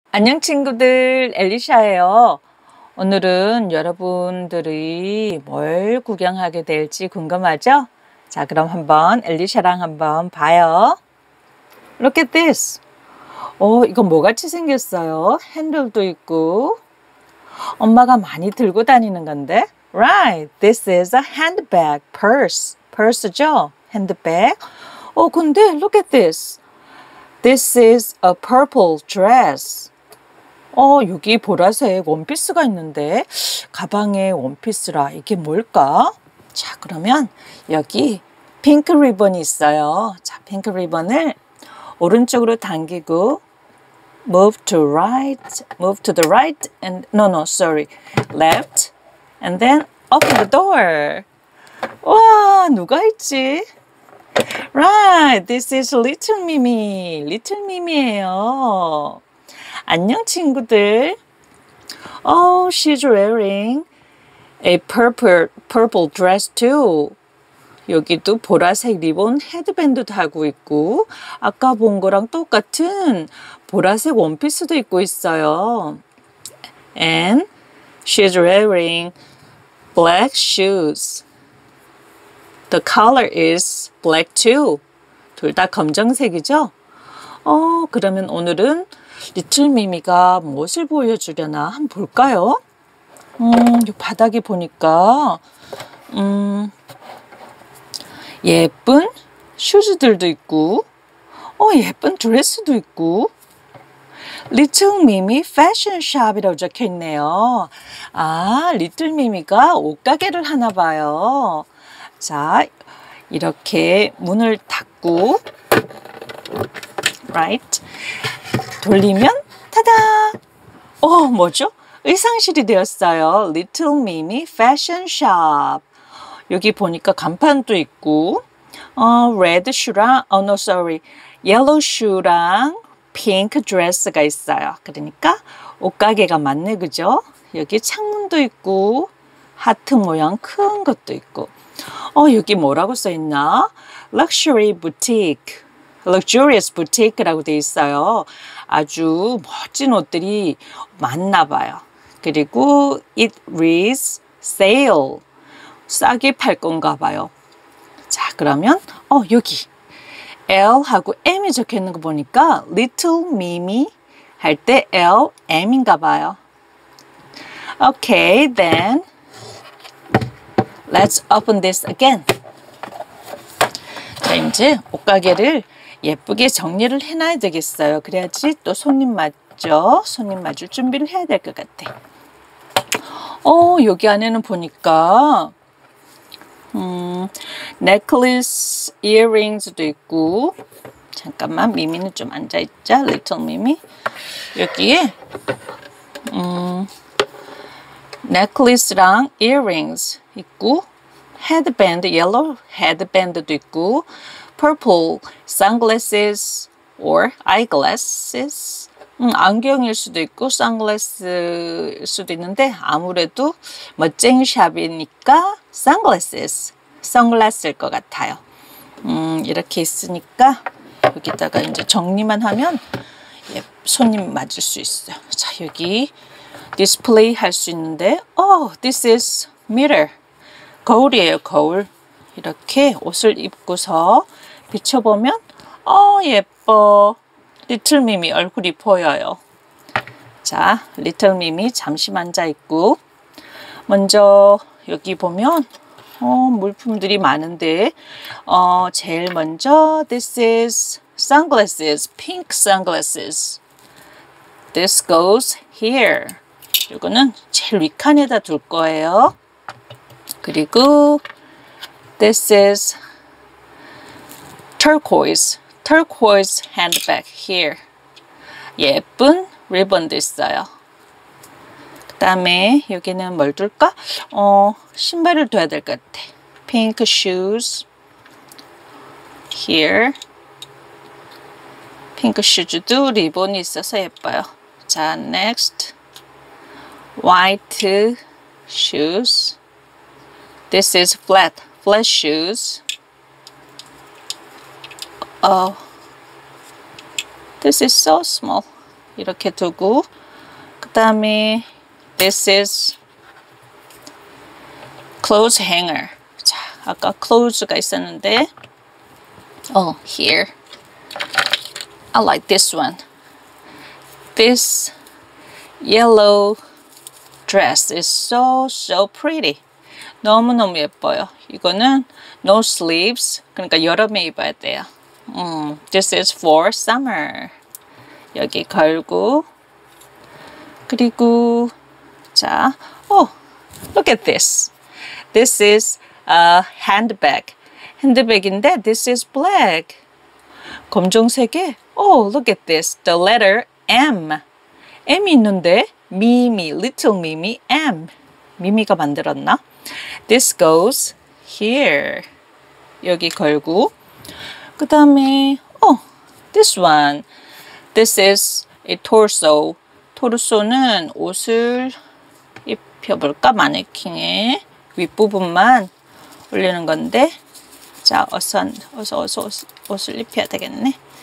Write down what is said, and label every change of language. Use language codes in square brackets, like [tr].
[ko] 안녕 친구들, 엘리샤예요. 오늘은 여러분들이 뭘 구경하게 될지 궁금하죠? 자, 그럼 한번 엘리샤랑 한번 봐요. [en] Look at this. [ko] 이거 뭐같이 생겼어요? 핸들도 있고. 엄마가 많이 들고 다니는 건데. [en] Right, this is a handbag, purse. [ko] Purse죠? 핸드백. 근데 [en] look at this. This is a purple dress. [ko] 여기 보라색 원피스가 있는데, 가방에 원피스라 이게 뭘까? 자, 그러면 여기 핑크 리본이 있어요. 자, 핑크 리본을 오른쪽으로 당기고, [en] move to the right, and no, no, sorry, left, and then open the door. [ko] 와, 누가 있지? [en] Right, this is Little Mimi. [ko] Little Mimi예요. 안녕 친구들. [en] Oh, she's wearing a purple dress too. [ko] 여기도 보라색 리본 헤드밴드도 하고 있고, 아까 본 거랑 똑같은 보라색 원피스도 입고 있어요. [en] And she's wearing black shoes. The color is black too. [ko] 둘다 검정색이죠? 그러면 오늘은 리틀 미미가 무엇을 보여주려나 한번 볼까요? 이 바닥에 보니까 예쁜 슈즈들도 있고, 예쁜 드레스도 있고, 리틀 미미 패션샵이라고 적혀있네요. 아, 리틀 미미가 옷가게를 하나 봐요. 자, 이렇게 문을 닫고, right, 돌리면 따다! 뭐죠? 의상실이 되었어요. Little Mimi Fashion Shop. 여기 보니까 간판도 있고, red shoe랑, [en] oh no, sorry, [ko] yellow shoe랑 pink dress가 있어요. 그러니까 옷가게가 맞네, 그죠? 여기 창문도 있고, 하트 모양 큰 것도 있고. 여기 뭐라고 써있나? Luxury Boutique. Luxurious Boutique라고 돼 있어요. 아주 멋진 옷들이 많나 봐요. 그리고 [en] It reads sale. [ko] 싸게 팔 건가 봐요. 자, 그러면 여기 L하고 M이 적혀 있는 거 보니까 Little Mimi 할때 L, M인가 봐요. [en] Okay, then let's open this again. [ko] 자, 이제 옷가게를 예쁘게 정리를 해놔야 되겠어요. 그래야지 또 손님 맞죠? 손님 맞을 준비를 해야 될것 같아. 여기 안에는 보니까 necklace, earrings도 있고, 잠깐만, 미미는 좀 앉아있자, little 미미. 여기에 necklace랑 earrings 있고, headband, yellow headband도 있고, [en] purple sunglasses or eyeglasses. [ko] 안경일 수도 있고 선글라스일 수도 있는데 아무래도 멋쟁이 샵이니까 선글라스일 것 같아요. 이렇게 있으니까 여기다가 이제 정리만 하면 손님 맞을 수 있어요. 자, 여기 디스플레이 할수 있는데 [en] this is mirror. [ko] 거울이에요, 거울. 이렇게 옷을 입고서 비춰보면, 예뻐. 리틀 미미 얼굴이 보여요. 자, 리틀 미미 잠시만 앉아있고. 먼저, 여기 보면, 물품들이 많은데, 제일 먼저, [en] this is sunglasses, pink sunglasses. This goes here. [ko] 이거는 제일 윗칸에다 둘 거예요. [en] 그리고, this is turquoise handbag here. [ko] 예쁜 리본도 있어요. 그다음에 여기는 뭘 둘까? 신발을 둬야 될것 같아. [en] Pink shoes here. [ko] Pink shoes도 리본이 있어서 예뻐요. [en] 자, next. White shoes. This is flat shoes. This is so small. [ko] 이렇게 두고 그 다음에 [en] This is clothes hanger. [ko] 자, 아까 clothes가 있었는데 [en] Oh, here. I like this one. This yellow dress is so, so pretty. [ko] 너무너무 예뻐요. 이거는 no sleeves. 그러니까 여름에 입어야 돼요. [en] This is for summer. [ko] 여기 걸고 그리고 자, [en] oh, look at this. This is a handbag. [ko] 핸드백인데 [en] this is black. [ko] 검정색에 [en] oh, look at this. The letter M. M [ko] 있는데 [en] Mimi, little Mimi, M. [ko] Mimi가 만들었나? [en] This goes here. [ko] 여기 걸고 그 다음에 [en] oh, this one. This is a torso. [ko] 토르소는 옷을 입혀볼까? 마네킹의 윗부분만 올리는 건데 자, 어서 옷을 입혀야 되겠네.